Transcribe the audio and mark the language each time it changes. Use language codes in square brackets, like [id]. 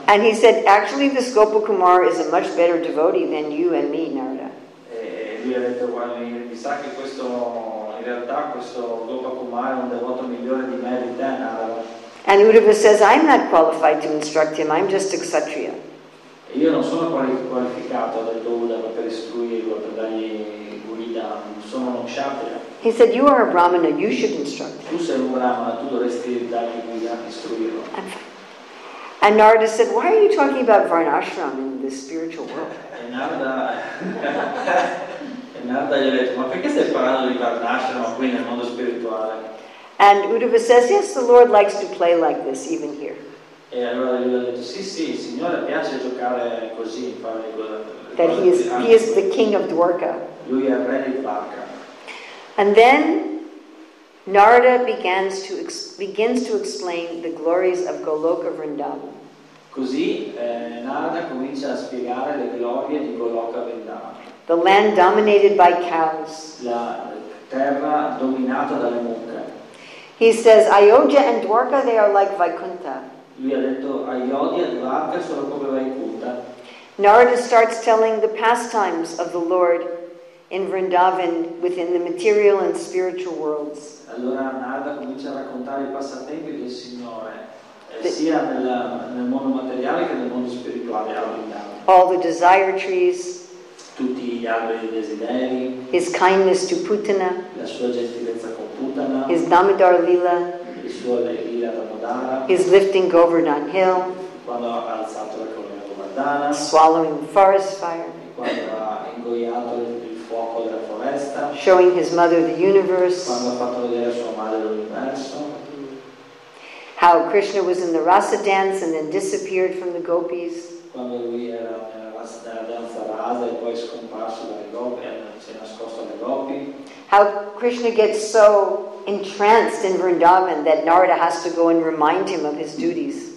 [en] And he said, "Actually, this Gopakumar is a much better devotee than you and me, Narada." [it] E lui ha detto, "Mi sa che questo, in realtà, questo Gopakumar è un devoto migliore di me e di te, Narada." [en] And Uddhava says, "I'm not qualified to instruct him. I'm just a kshatriya." [it] Io non sono qualificato, ha detto Uddhava, per istruirlo, per dargli guida. Sono uno kshatriya. [en] He said, "You are a brahmana. You should instruct him." [it] Tu sei un brahmana. Tu dovresti dargli guida, istruirlo. [en] And Narada said, "Why are you talking about varnashram in this spiritual world?" [it] E Narada gli ha detto, "Ma perché stai parlando di varnashram qui nel mondo spirituale?" [en] And Uddhava says, "Yes, the Lord likes to play like this, even here." [it] E allora lui ha detto, sì, il Signore piace giocare così, fare cose. [en] That he is the king of Dwarka. [it] Lui è re di Dwarka. [en] And then Narada begins to explain the glories of Goloka Vrindavan. [it] Così Narada comincia a spiegare le glorie di Goloka Vrindavan. [en] The land dominated by cows. [it] La terra dominata dalle mucche. [en] He says, "Ayodhya and Dwarka, they are like Vaikuntha." [it] Lui ha detto, "Ayodhya e Dwarka sono come Vaikuntha." [en] Narada starts telling the pastimes of the Lord in Vrindavan within the material and spiritual worlds. [it] Allora Narada comincia a raccontare i passatempi del Signore, sia nel mondo materiale che nel mondo spirituale a Vrindavan. [en] All the desire trees. [it] Tutti gli alberi desideri. [en] His kindness to Putana. [it] La sua gentilezza con Putana. [en] His Damodar Lila. [it] Il suo Lila Damodara. [en] His lifting Govardhan Hill. [it] Quando ha alzato la colonna Govardhana. [en] Swallowing forest fire. [it] Quando ha ingoiato il fuoco della foresta. [en] Showing his mother the universe. [it] Quando ha fatto vedere sua madre l'universo. [en] How Krishna was in the Rasa dance and then disappeared from the gopis. [it] Quando lui era e poi scomparso dalle gopi, si è nascosto dalle gopi. [en] How Krishna gets so entranced in Vrindavan that Narada has to go and remind him of his duties.